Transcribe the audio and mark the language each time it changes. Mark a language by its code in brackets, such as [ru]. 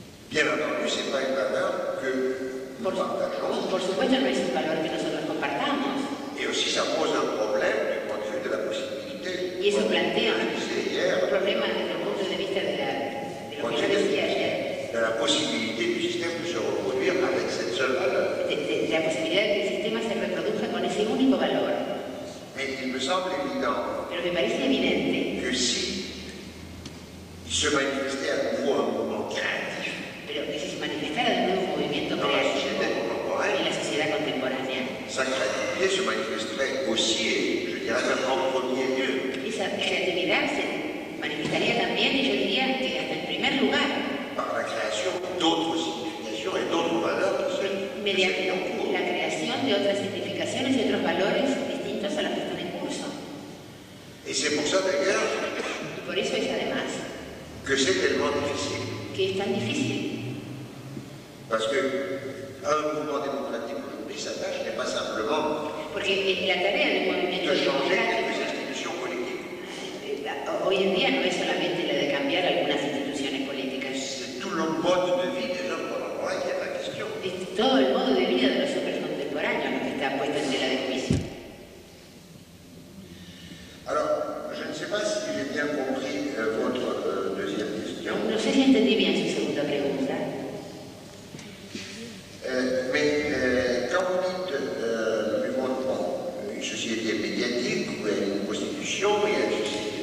[fr] Bien entendu, c'est pas une valeur que nous partageons. [es] Por supuesto, no es un valor que nosotros compartamos. [fr] Y aussi, ça pose un problème du point de vue de [es] la posibilidad. Y eso plantea un problema desde el punto de vista de la posibilidad del sistema de se reproducir con esa sola valor. De la posibilidad de que el sistema se reproduzca con ese único valor. Pero me parece evidente que si se manifestara de nuevo un movimiento creativo, pero que si se manifestara de nuevo un movimiento creativo en la sociedad contemporánea, [fr] sa créativité se manifesterait aussi, je dirais même en premier lieu. [es] Esa créativité se manifestaría también, y yo diría que hasta en primer lugar. [fr] Par la création d'autres significations et d'autres valeurs. [es] Mediante la creación de otras significaciones y otros valores distintos a los que están en curso. [fr] Et c'est pour ça d'ailleurs. [es] Y por eso es además. [fr] Que c'est tellement difficile. [es] Que es tan difícil. [fr] Parce que un mouvement démocratique. Sa tâche n'est pas simplement [es] la tarea del movimiento [fr] de changer quelques institutions politiques. [es] Hoy en día no es solamente la de cambiar algunas instituciones políticas. [fr] C'est tout le mode de vie de l'homme contemporain qui est la question. [es] Es todo el modo de vida de los hombres contemporáneos que está puesto en tela de juicio. [fr] Alors, je ne sais pas si j'ai bien compris votre deuxième question. [es] No sé si entendí bien su segunda pregunta. [fr] Mais quand vous dites le mouvement, une société médiatique ou une constitution, il y a une société.